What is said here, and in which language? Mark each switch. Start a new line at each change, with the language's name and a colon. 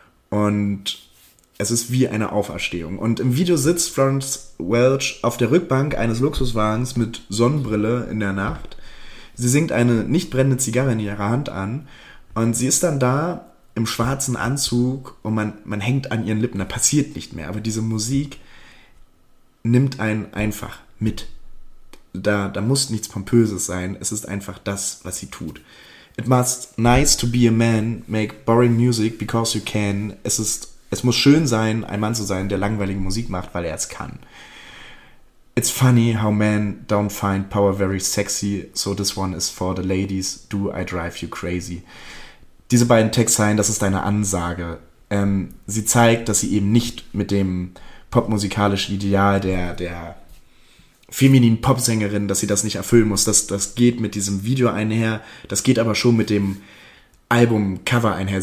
German: Und es ist wie eine Auferstehung. Und im Video sitzt Florence Welch auf der Rückbank eines Luxuswagens mit Sonnenbrille in der Nacht. Sie singt eine nicht brennende Zigarre in ihrer Hand an. Und sie ist dann da im schwarzen Anzug und man hängt an ihren Lippen. Da passiert nicht mehr. Aber diese Musik nimmt einen einfach mit. Da muss nichts Pompöses sein. Es ist einfach das, was sie tut.
English: It must nice to be a man, make boring music because you can.
German: Es muss schön sein, ein Mann zu sein, der langweilige Musik macht, weil er es kann.
English: It's funny how men don't find power very sexy, so this one is for the ladies, do I drive you crazy.
German: Diese beiden Textzeilen, das ist eine Ansage. Sie zeigt, dass sie eben nicht mit dem popmusikalischen Ideal der femininen Popsängerin, dass sie das nicht erfüllen muss. Das geht mit diesem Video einher, das geht aber schon mit dem Albumcover einher.